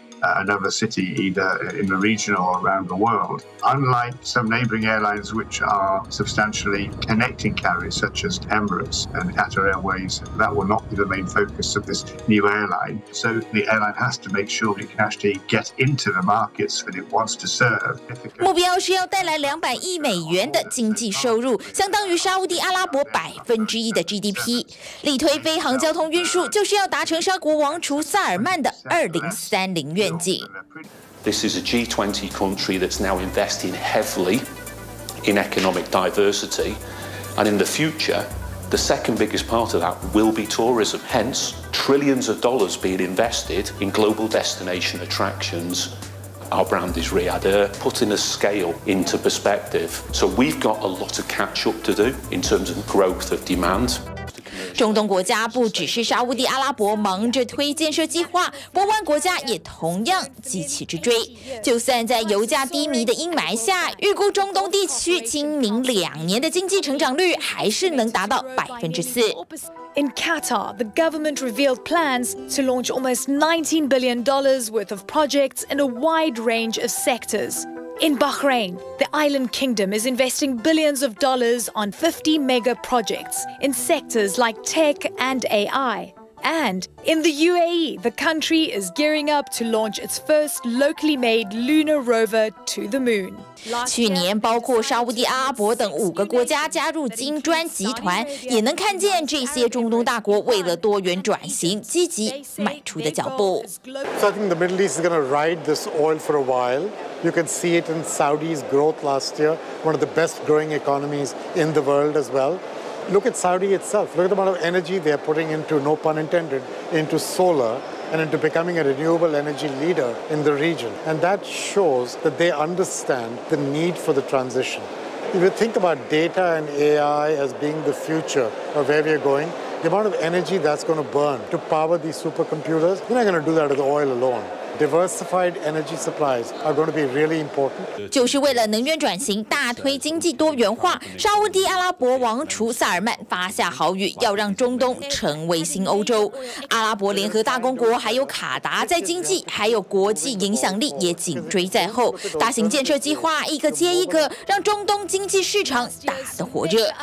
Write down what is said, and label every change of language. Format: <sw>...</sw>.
<en>Another city either in the region or around the world. Unlike some neighboring airlines which are substantially connecting carriers such as Emirates and Qatar Airways, that will not be the main focus of this new airline. So the airline has to make sure it can actually get into the markets that it wants to serve.</en> <zh>目标是要带来$200亿的经济收入，相当于沙烏地阿拉伯1%的 GDP。力推飞航交通运输，就是要达成沙国王储萨尔曼的2030愿。</zh> <en>This is a G20 country that's now investing heavily in economic diversity, and in the future, the second biggest part of that will be tourism. Hence, trillions of dollars being invested in global destination attractions. Our brand is Riyadh Air, putting a scale into perspective. So we've got a lot of catch up to do in terms of growth of demand.</en> <zh>中东国家不只是沙烏地阿拉伯忙着推建设计划，波湾国家也同样急起直追。就算在油价低迷的阴霾下，预估中东地区今明两年的经济成长率还是能达到4%。</zh> <en>In Qatar, the government revealed plans to launch almost $19 billion worth of projects in a wide range of sectors. In Bahrain, the island kingdom is investing billions of dollars on 50 mega projects in sectors like tech and AI. And in the UAE, the country is gearing up to launch its first locally made lunar rover to the moon.</en> <zh>去年包括沙烏地阿拉伯等五个国家加入金砖集团，也能看见这些中东大国为了多元转型积极迈出的脚步。</zh> <en>So I think the Middle East is going to ride this oil for a while. You can see it in Saudi's growth last year, one of the best growing economies in the world as well. Look at Saudi itself. Look at the amount of energy they are putting into, no pun intended, into solar. And into becoming a renewable energy leader in the region. And that shows that they understand the need for the transition. If you think about data and AI as being the future of where we are going, the amount of energy that's going to burn to power these supercomputers, you're not going to do that with oil alone. Diversified energy supplies are going to be really important.</en> <zh>就是为了能源转型，大推经济多元化。沙烏地阿拉伯王储萨尔曼发下豪语，要让中东成为新欧洲。阿拉伯联合大公国还有卡达在经济还有国际影响力也紧追在后，大型建设计划一个接一个，让中东经济市场打得火热。</zh>